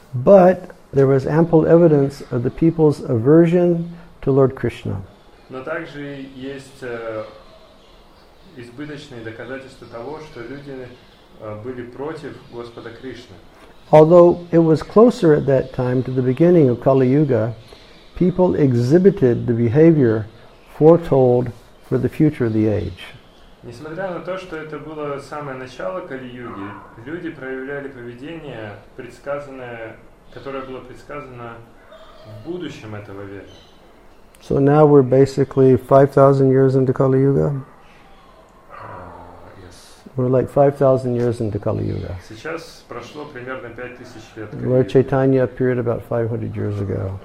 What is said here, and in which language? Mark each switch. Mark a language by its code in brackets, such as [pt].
[en] But there was ample evidence of the people's aversion to Lord Krishna. [ru] Но также есть избыточные доказательства того, что люди были против Господа Кришны. [en] Although it was closer at that time to the beginning of Kali Yuga, people exhibited the behavior foretold for the future of the age. [ru] Несмотря на то, что это было самое начало Кали-Юги, люди проявляли поведение, предсказанное, которое было предсказано в будущем этого века. [en] So now we're basically 5,000 years into Kali-Yuga? Yes. We're like 5,000 years into Kali-Yuga. [ru] Сейчас прошло примерно 5,000 лет. [en] Lord Chaitanya appeared about 500 years ago.